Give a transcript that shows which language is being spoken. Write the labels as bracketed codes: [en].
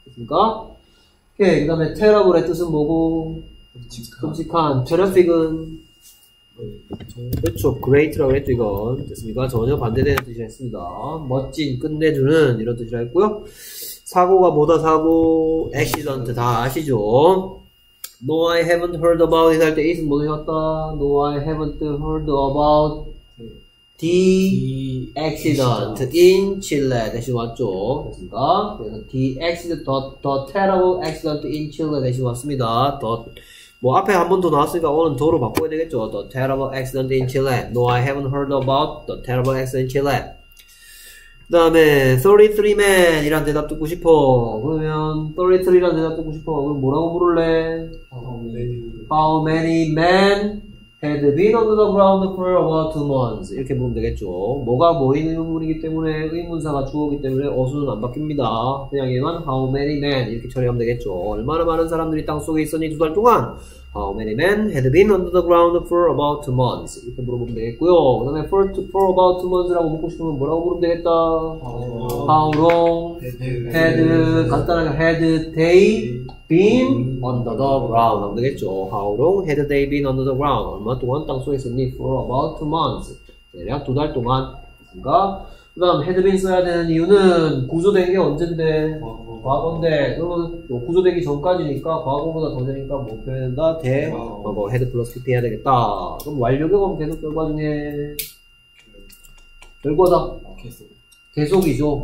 [ko] 그니까 오케이. 그다음에 terrible의 뜻은 뭐고 끔찍한. terrific은 그렇죠. great라고 했죠, 이건. 됐습니까? 전혀 반대되는 뜻이라 했습니다. 멋진, 끝내주는 이런 뜻이라 했고요. 사고가 뭐다 사고, 액시던트 다 아시죠? [en] No, I haven't heard about it [ko] 할때 [en] is [ko] 뭐 되셨다? [en] No, I haven't heard about the accident in Chile [ko] 대신 왔죠. 됐습니까? 그래서 [en] the accident, the terrible accident in Chile [ko] 대신 왔습니다. 더 뭐 앞에 한번더 나왔으니까 오늘 도로 바꿔야 되겠죠. [en] The terrible accident in Chile. No, I haven't heard about the terrible accident in Chile. [ko] 그 다음에 33man 이란 대답 듣고 싶어. 그러면 33이란 대답 듣고 싶어. 그럼 뭐라고 부를래? [en] How many men had been under the ground for about 2 months? [ko] 이렇게 부르면 되겠죠. 뭐가 뭐이는 의문이기 때문에 의문사가 주어이기 때문에 어수는 안 바뀝니다. 그냥 얘만 [en] How many men [ko] 이렇게 처리하면 되겠죠. 얼마나 많은 사람들이 땅속에 있었니 두 달 동안. [en] How many men had been under the ground for about 2 months? [ko] 이렇게 물어보면 되겠고요. 그 다음에 [en] for about 2 months [ko] 라고 묻고 싶으면 뭐라고 물으면 되겠다. [en] How long had, [ko] 간단하게 [en] had they been under the ground? [ko] 하면 되겠죠. [en] How long had they been under the ground? [ko] 얼마 동안 땅속에 있었니? [en] For about 2 months. [ko] 대략 두 달 동안. 그니까. 그 다음, had been 써야 되는 이유는 구조된 게 언젠데? 과거인데, 그러면 뭐 구조되기 전까지니까, 과거보다 더 되니까, 뭐 표현한다? 대, 과거, 헤드 플러스 PP 해야 되겠다. 그럼 완료 경험 계속 결과 중에, 결과다. 계속이죠.